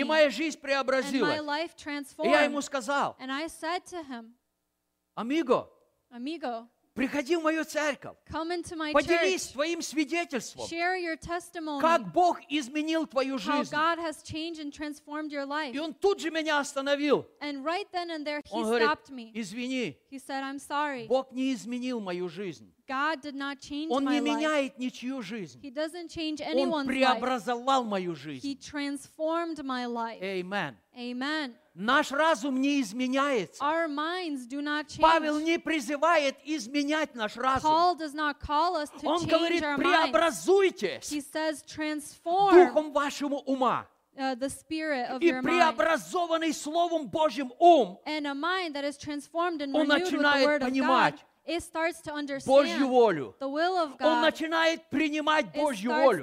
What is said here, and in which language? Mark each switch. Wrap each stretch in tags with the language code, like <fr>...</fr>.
<ru>И моя жизнь преобразилась.</ru> <en>And my life transformed.</en> <ru>И я ему сказал.</ru> <en>And I said to him,</en> <es>Amigo, Amigo,</es> <ru>приходи в мою церковь.</ru> <en>Come into my</en> <ru>поделись</ru> <en>church.</en> <ru>Твоим свидетельством.</ru> <en>Share your testimony.</en> <ru>Как Бог изменил твою жизнь.</ru> <en>How God has changed and transformed your life.</en> <ru>И он тут же меня остановил.</ru> <en>And right then and there, he</en> <ru>он говорит,</ru> <en>stopped me.</en> <ru>Извини.</ru> <en>He said, I'm sorry.</en> <ru>Бог не изменил мою жизнь.</ru> <en>God did not change</en> <ru>он</ru> <en>my life.</en> <ru>Меняет ничью жизнь.</ru> <en>He doesn't change anyone's</en> <ru>он преобразовал</ru> <en>life.</en> <ru>Мою жизнь.</ru> <en>He transformed my life. Amen. Amen.</en> <ru>Наш разум не изменяется.</ru> <en>Our minds do not change.</en> <ru>Павел не призывает изменять наш разум.</ru> <en>Paul does not call us to</en> <ru>Он говорит,</ru> <en>change our</en> <ru>преобразуйтесь</ru> <en>He says, transform</en> <ru>духом вашего ума</ru> <en>the spirit of</en> <ru>и</ru> <en>your</en> <ru>преобразованный</ru> <en>mind.</en> <ru>Словом Божьим ум.</ru> <en>And a mind that is transformed and</en> <ru>Он</ru> <en>renewed</en> <ru>начинает</ru> <en>with the word</en> <ru>понимать.</ru> <en>Of God. It starts to understand</en> <ru>Божью волю.</ru> <en>The will of God.</en> <ru>Он начинает принимать Божью волю.</ru>